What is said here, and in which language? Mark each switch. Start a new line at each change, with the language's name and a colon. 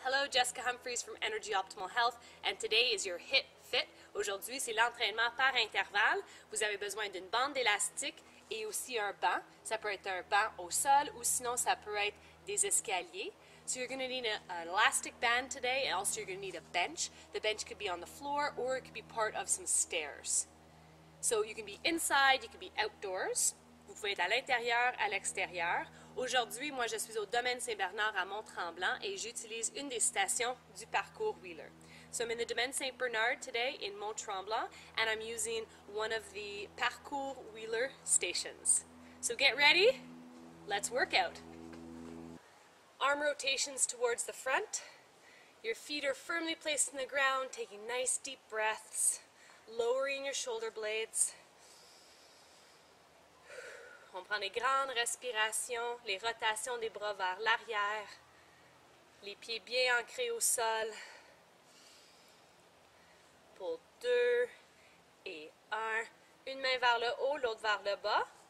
English: Hello, Jessica Humphries from Energy Optimal Health, and today is your HIIT Fit.
French: Aujourd'hui, c'est l'entraînement par intervalle. Vous avez besoin d'une bande élastique et aussi un banc. Ça peut être un banc au sol ou sinon ça peut être des escaliers.
English: So you're going to need an elastic band today, and also you're going to need a bench. The bench could be on the floor or it could be part of some stairs. So you can be inside, you can be outdoors.
French: Vous pouvez être à l'intérieur, à l'extérieur. Aujourd'hui, moi, je suis au Domaine Saint-Bernard à Mont-Tremblant et j'utilise une des stations du parcours Wheeler.
English: So I'm in the Domaine Saint-Bernard today in Mont-Tremblant and I'm using one of the parcours Wheeler stations. So get ready, let's work out. Arm rotations towards the front. Your feet are firmly placed in the ground, taking nice deep breaths, lowering your shoulder blades.
French: On prend des grandes respirations, les rotations des bras vers l'arrière, les pieds bien ancrés au sol. Pour deux et un, une main vers le haut, l'autre vers le bas.